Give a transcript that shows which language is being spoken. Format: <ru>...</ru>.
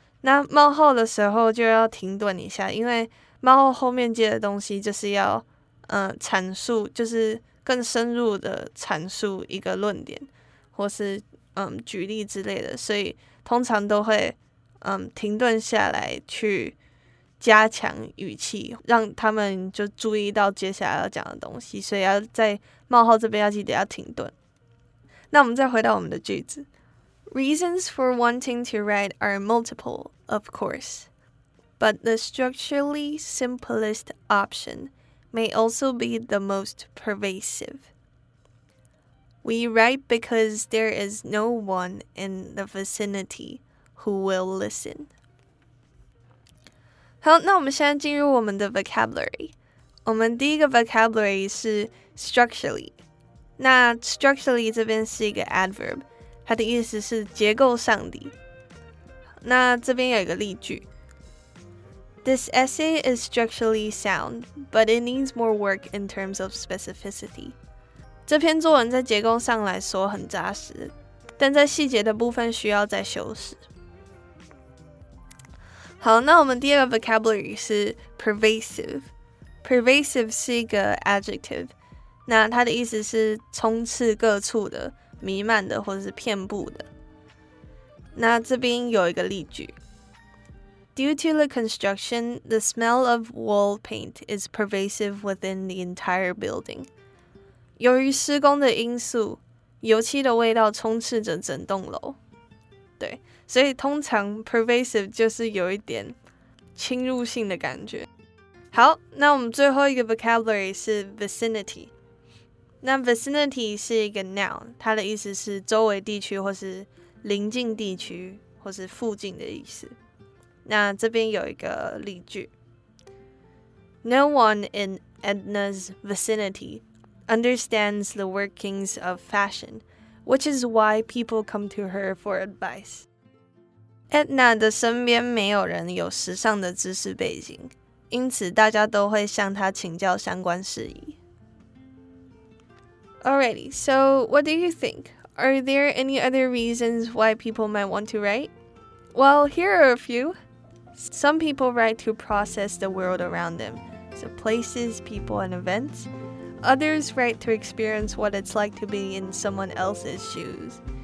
<zh>那冒号的时候就要停顿一下，因为冒号后面接的东西就是要阐述，就是更深入的阐述一个论点或是举例之类的，所以通常都会停顿下来去加强语气，让他们就注意到接下来要讲的东西，所以要在冒号这边要记得要停顿。那我们再回到我们的句子。</zh> <en>Reasons for wanting to write are multiple, of course, but the structurally simplest option may also be the most pervasive. We write because there is no one in the vicinity who will listen.</en> <zh>好，那我们现在进入我们的 vocabulary。我们第一个 vocabulary 是 structurally。那 structurally 这边是一个 adverb。它的意思是结构上的。那这边有一个例句。</zh> <en>This essay is structurally sound, but it needs more work in terms of specificity.</en> <zh>这篇作文在结构上来说很扎实，但在细节的部分需要再修饰。好，那我们第二个 vocabulary 是 pervasive。 Pervasive 是一个 adjective， 那它的意思是充斥各处的。弥漫的或者是遍布的。那这边有一个例句。</zh> <en>Due to the construction, the smell of wall paint is pervasive within the entire building.</en> <zh>由于施工的因素，油漆的味道充斥着整栋楼。对，所以通常 pervasive 就是有一点侵入性的感觉。好，那我们最后一个 vocabulary 是 vicinity。那 vicinity 是一个 noun， 它的意思是周围地区或是邻近地区或是附近的意思。那这边有一个例句</zh> <en>：No one in Edna's vicinity understands the workings of fashion, which is why people come to her for advice.</en> <zh>Edna 的身边没有人有时尚的知识背景，因此大家都会向她请教相关事宜。</zh> <en>Alrighty, so what do you think? Are there any other reasons why people might want to write? Well, here are a few. Some people write to process the world around them, so places, people, and events. others' right to experience what it's like to be in someone else's shoes.</en>